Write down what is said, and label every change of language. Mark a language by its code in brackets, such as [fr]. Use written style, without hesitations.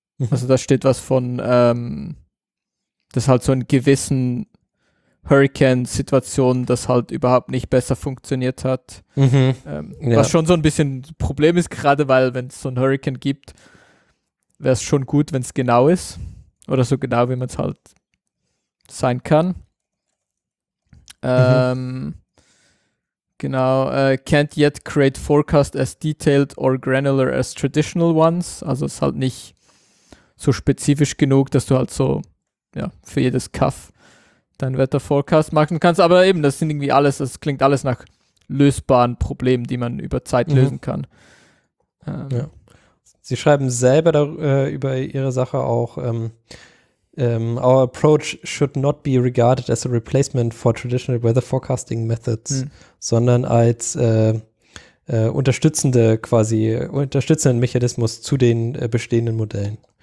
[de] Also da steht was von, dass halt so in gewissen Hurricane-Situationen das halt überhaupt nicht besser funktioniert hat. Was schon so ein bisschen Problem ist, gerade weil, wenn es so ein Hurricane gibt, wäre es schon gut, wenn es genau ist. Oder so genau, wie man es halt sein kann. Genau. [en] Can't yet create forecast as detailed or granular as traditional ones. [de] Also es ist halt nicht so spezifisch genug, dass du halt so, ja, für jedes Kaff dein Wetterforecast machen kannst. Aber eben, das sind irgendwie alles, das klingt alles nach lösbaren Problemen, die man über Zeit lösen kann. Sie schreiben selber über ihre Sache auch, [en] our approach should not be regarded as a replacement for traditional weather forecasting methods, [de] sondern als unterstützenden Mechanismus zu den bestehenden Modellen.